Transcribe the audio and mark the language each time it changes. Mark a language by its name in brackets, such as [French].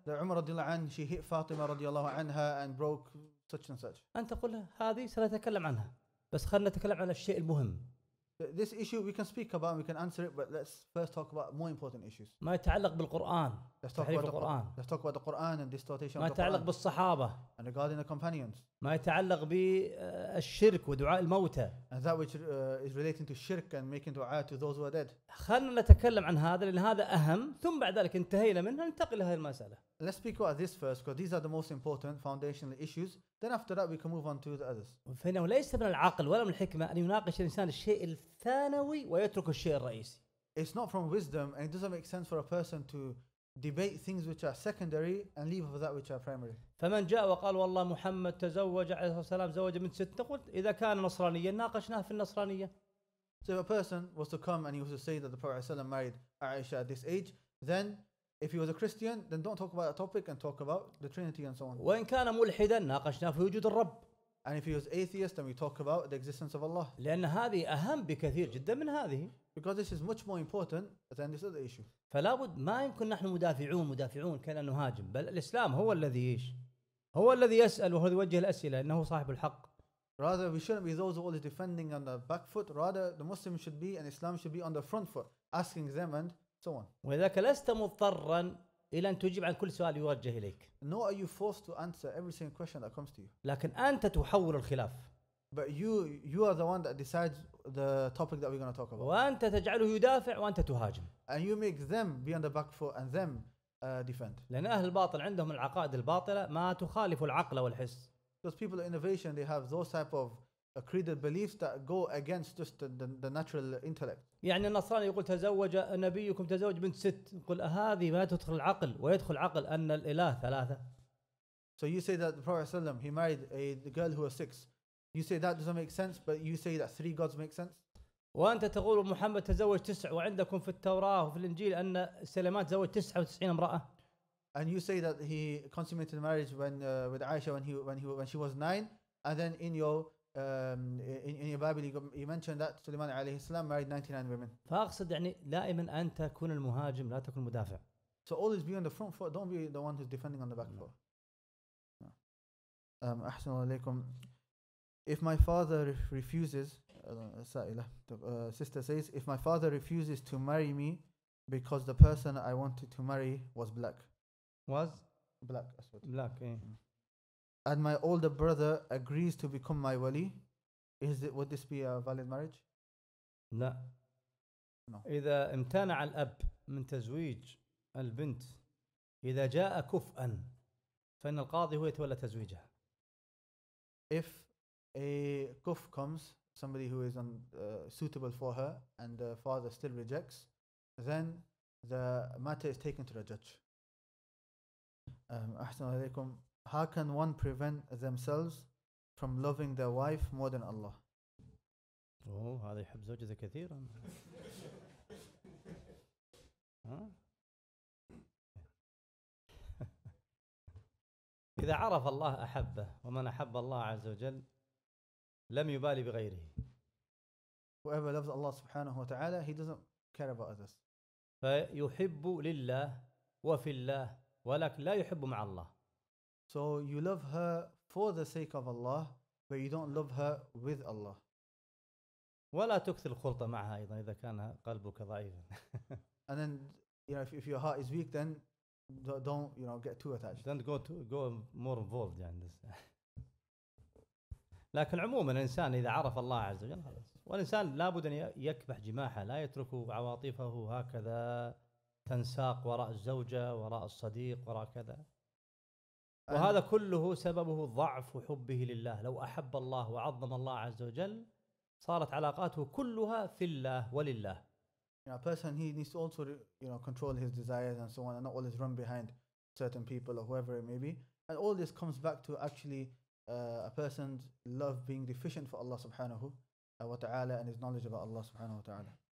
[English] The عمر [Arabic] رضي الله عنه, [English] she hit فاطمة [Arabic] رضي الله عنها [English] and broke such and such. [Arabic] أنت قل هذه سنتكلم عنها. بس خلنا نتكلم على الشيء المهم. [English] This issue we can speak about, we can answer it, but let's first talk about more important issues. [Arabic] ما يتعلق بالقرآن. [English] Let's talk about the Quran and distortion of the [Arabic] Quran. ما يتعلق بالصحابة. [English] And regarding the companions. [Arabic] ما يتعلق بالشرك ودعاء الموتى. [English] And that which is relating to shirk and making dua to those who are dead. [Arabic] خلنا نتكلم عن هذا لأن هذا أهم. ثم بعد ذلك انتهينا منها ننتقل لهذه المسألة. [English] Let's speak about this first, because these are the most important foundational issues. Then after that, we can move on to the others. [Arabic] فإنه ليس من العقل ولا من الحكمة أن يناقش الإنسان الشيء الثانوي ويترك الشيء الرئيسي. [English] It's not from wisdom, and it doesn't make sense for a person to debate things which are secondary and leave for that which are primary. [Arabic] فمن جاء وقال والله محمد تزوج عليه الصلاة والسلام زوج من ست نقول إذا كان نصرانيا ناقشناه في النصرانية. [English] So if a person was to come and he was to say that the Prophet ﷺ married Aisha at this age, then if he was a Christian, then don't talk about a topic and talk about the Trinity and so on. [Arabic] وإن كان ملحدا ناقشنا في وجود الرب. [English] And if he was atheist, then we talk about the existence of Allah. [Arabic] لأن هذه أهم بكثير جدا من هذه. [English] Because this is much more important than this other issue. [Arabic] فلا بد ما يمكن نحن مدافعون كأن نهاجم. بل الإسلام هو الذي إيش؟ هو الذي يسأل وهو يوجه الأسئلة إنه صاحب الحق. [English] Rather, we shouldn't be those who are defending on the back foot. Rather, the Muslim should be and Islam should be on the front foot, asking them and. [Arabic] وإذاك لست مضطرا إلى أن تجيب عن كل سؤال يوجه إليك. [English] No, are you forced to answer every single question that comes to you? [Arabic] لكن أنت تحول الخلاف. [English] But you are the one that decides the topic that we're going to talk about. [Arabic] وأنت تجعله يدافع وأنت تهاجم. [English] And you make them be on the back foot and them defend. [Arabic] لأن أهل الباطل عندهم العقائد الباطلة ما تخالف العقل والحس. [English] Those people of innovation, they have those type of accredited beliefs that go against just the natural intellect. [Arabic] يعني النصراني يقول تزوج نبيكم تزوج بنت ست يقول هذه ما تدخل العقل ويدخل العقل أن الإله ثلاثة. [English] So you say that the Prophet ﷺ he married a girl who was six. You say that doesn't make sense, but you say that three gods make sense. [Arabic] وأنت تقول محمد تزوج تسع وعندكم في التوراة وفي الإنجيل أن سليمان تزوج 99 امرأة. [English] And you say that he consummated marriage with Aisha when she was nine, and then in your in your Bible you mentioned that Sulaiman [Arabic] عليه السلام [English] married 99 women. [Arabic] فأقصد يعني دائما أنت كن المهاجم لا تكن مدافع. [English] So always be on the front foot, don't be the one who's defending on the back foot. [Arabic] أحسن الله عليكم. [English] If my father refuses, سائلة, sister says, if my father refuses to marry me because the person I wanted to marry was black. Was? Black. Black. Yeah. And my older brother agrees to become my wali, would this be a valid marriage? No. No. [Arabic] إذا امتنع الأب من تزويج البنت إذا جاء كفءاً فإن القاضي هو يتولى تزويجها. [English] If a kuf comes, somebody who is suitable for her, and the father still rejects, then the matter is taken to the judge. [Arabic] أحسن عليكم. [English] How can one prevent themselves from loving their wife more than Allah? [Arabic] Oh, هذا يحب زوجته كثيرا. إذا عرف الله أحبه ومن أحب الله عز وجل لم يبالي بغيره. [English] Whoever loves Allah [Arabic] سبحانه وتعالى, [English] he doesn't care about others. [Arabic] فيحب لله وفي الله ولكن لا يحب مع الله. [English] So you love her for the sake of Allah, but you don't love her with Allah. [Arabic] ولا تكثر الخلطة معها أيضا إذا كان قلبك ضعيفا. [English] And then you know if your heart is weak then don't you know get too attached. Don't go more involved يعني this. [Arabic] لكن عموما الإنسان إذا عرف الله عز وجل خلاص. والإنسان لابد أن يكبح جماحه لا يترك عواطفه هكذا تنساق وراء الزوجة وراء الصديق وراء كذا. وهذا كله سببه ضعف حبه لله. لو أحب الله وعظم الله عز وجل صارت علاقاته كلها في الله ولله. [English] You know, a person he needs to also you know control his desires and so on and not always run behind certain people or whoever it may be. And all this comes back to actually a person's love being deficient for Allah subhanahu wa ta'ala and his knowledge about Allah subhanahu wa ta'ala.